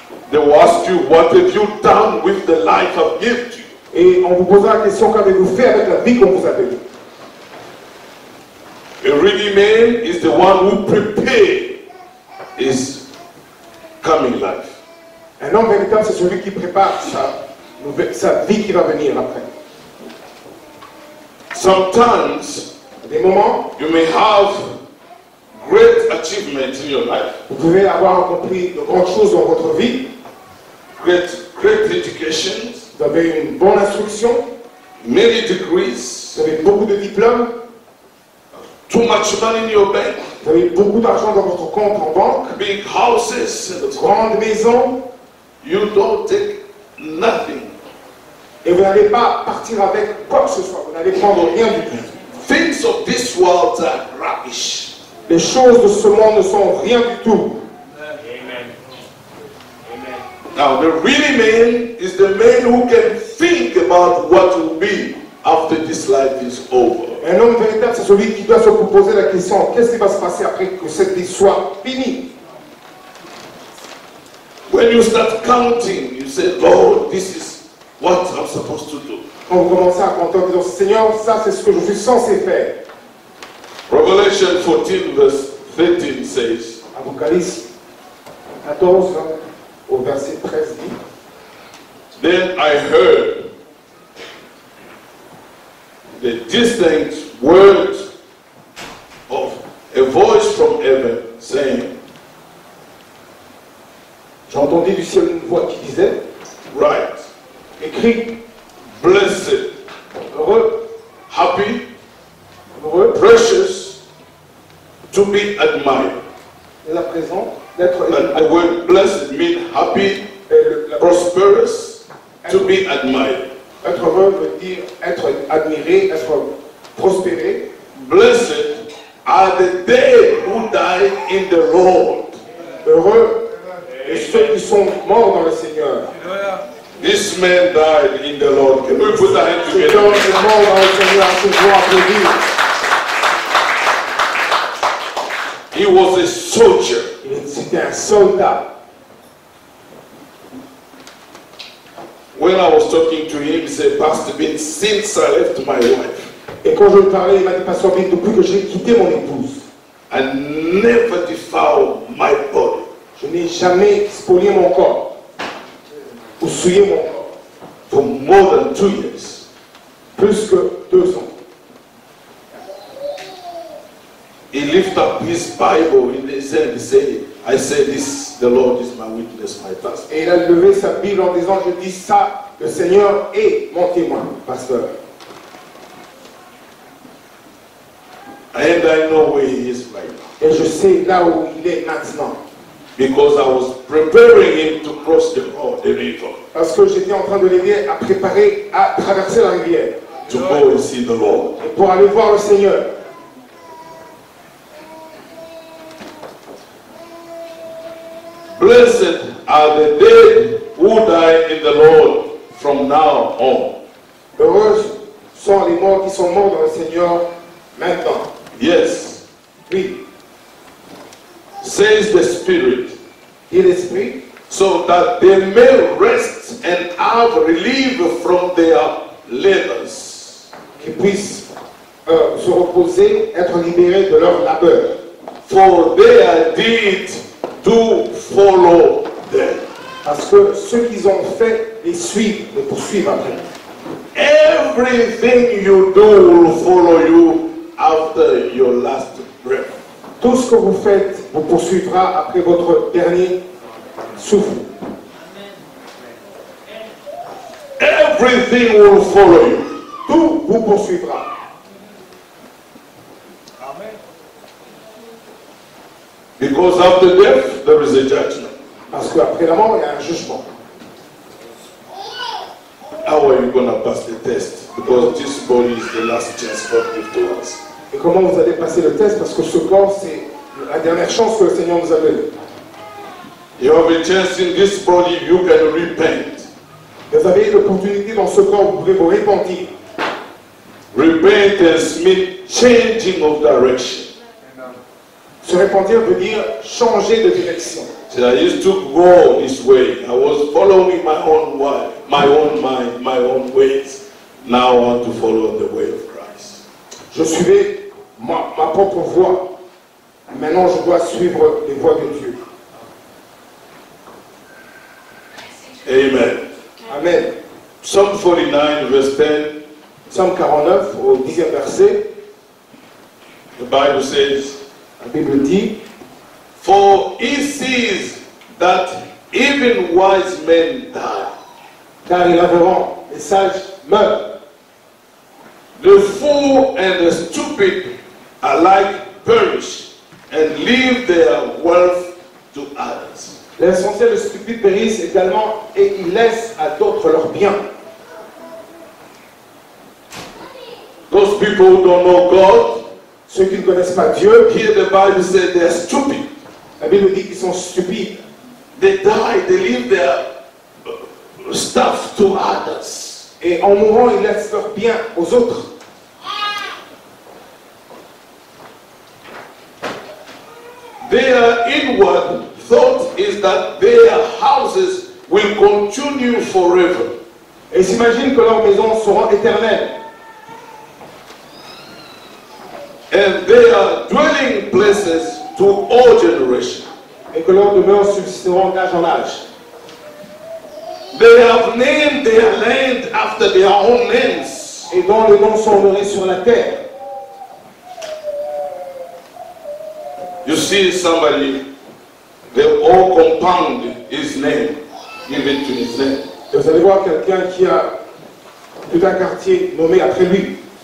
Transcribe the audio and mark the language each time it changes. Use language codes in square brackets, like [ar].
[en] They will ask you, what have you done with the life I've given you? [fr] Et en vous posant la question, qu'avez-vous fait avec la vie qu'on vous a donnée? [en] A ready man is the one who prepares his coming life. [fr] Un homme véritable, c'est celui qui prépare sa vie qui va venir après. [en] Sometimes, [fr] des moments, [en] you may have great achievements in your life. [fr] Vous pouvez avoir accompli de grandes choses dans votre vie. [en] Great education. [fr] Vous avez une bonne instruction. [en] Many degrees. [fr] Vous avez beaucoup de diplômes. [en] Too much money in your bank. [fr] Vous avez beaucoup d'argent dans votre compte en banque. [en] Big houses. [fr] De grandes maisons. [en] You don't take nothing. [fr] Et vous n'allez pas partir avec quoi que ce soit. Vous n'allez prendre rien du tout. [en] Things of this world are rubbish. [fr] Les choses de ce monde ne sont rien du tout. [en] Now the really man is the man who can think about what will be after this life is over. [fr] Un homme véritable, c'est celui qui doit se poser la question, qu'est-ce qui va se passer après que cette vie soit finie? [en] When you start counting, you say, Lord, this is what I'm supposed to do. [fr] Quand vous commencez à compter, vous dites, Seigneur, ça c'est ce que je suis censé faire. [en] Revelation 14 verse 13 says. [fr] Apocalypse 14. Au verset 13 dit, [en] then I heard the distinct word of a voice from heaven saying, [fr] j'ai entendu du ciel une voix qui disait, [en] write, [fr] écrit, [en] blessed, [fr] heureux, [en] happy, [fr] heureux, [en] precious, to be admired. [fr] La présence. [en] And the word blessed means happy, prosperous, to be admired. [fr] Être heureux veut dire être admiré, être prospéré. [en] Blessed are the dead who die in the Lord. [fr] Heureux et ceux qui sont morts dans le Seigneur. [en] This man died in the Lord. Can we put our hands together? [fr] Ce homme est mort dans le Seigneur, je vous en prie. [en] He was a soldier. [fr] C'était un soldat. [en] When I was talking to him, he said, Pastor Bin, since I left my wife. [fr] Et quand je lui parlais, il m'a dit, Pastor Bin, depuis que j'ai quitté mon épouse, [en] I never defiled my body. [fr] Je n'ai jamais spolié mon corps. Ou souillé mon corps. [en] For more than 2 years. [fr] Plus que 2 ans. [en] He lifted up his Bible in his hand and said, I say this, the Lord is my witness, my pastor. [fr] Et il a levé sa Bible en disant, je dis ça, le Seigneur est mon témoin, pasteur. [en] And I know where he is right now. [fr] Et je sais là où il est maintenant. [en] Because I was preparing him to cross the river. [fr] Parce que j'étais en train de l'aider à préparer à traverser la rivière. [en] To go and see the Lord. [fr] Et pour aller voir le Seigneur. [en] Blessed are the dead who die in the Lord from now on. [fr] Heureux sont les morts qui sont morts dans le Seigneur maintenant. [en] Yes. [fr] Oui. [en] Says the Spirit. [fr] Dit l'Esprit. [en] So that they may rest and have relief from their labors. [fr] Qu'ils puissent se reposer, être libérés de leur labeur. [en] For they are dead. To follow them. [fr] Parce que ce qu'ils ont fait, ils suivent, les poursuivent après. [en] Everything you do will follow you after your last breath. [fr] Tout ce que vous faites vous poursuivra après votre dernier souffle. [en] Everything will follow you. [fr] Tout vous poursuivra. [en] Because after death, there is a judgment. [fr] Parce qu'après la mort, il y a un jugement. [en] How are you going to pass the test? Because this body is the last chance God gives to us. [fr] Et comment vous allez passer le test? Parce que ce corps, c'est la dernière chance que le Seigneur vous a donné. [en] You have a chance in this body, you can repent. [fr] Vous avez l'opportunité dans ce corps, vous pouvez vous repentir. [en] Repentance means changing of direction. [fr] Se repentir veut dire changer de direction. [en] So I used to go this way. I was following my own way, my own mind, my own ways. Now I want to follow the way of Christ. [fr] Je suivais ma propre voie. Maintenant je dois suivre les voies de Dieu. [en] Amen. [fr] Amen. [en] Psalm 49, verse 10. [fr] Psalm 49, au 10e verset. [en] The Bible says, [fr] la Bible dit, [en] for he sees that even wise men die. [fr] Car il avouant, les sages meurent. [en] The fool and the stupid alike perish and leave their wealth to others. [fr] L'essentiel, le stupide périsse également et il laisse à d'autres leurs biens. [en] Those people who don't know God, [fr] ceux qui ne connaissent pas Dieu, [en] here the Bible says they are stupid. [fr] La Bible dit qu'ils sont stupides. [en] They die, they leave their stuff to others. [fr] Et en mourant, ils laissent leurs biens aux autres. [en] Their inward thought is that their houses will continue forever. [fr] Et s'imagine que leurs maisons seront éternelles. [en] And their dwelling places to all generations. [fr] Et que leurs demeures subsisteront d'âge en âge. [en] They have named their land after their own names. [fr] Et dont les noms sont honorés sur la terre. [en] You see somebody, the whole compound, his name, give it to his name. [fr] Vous allez voir quelqu'un qui a tout un quartier nommé après lui.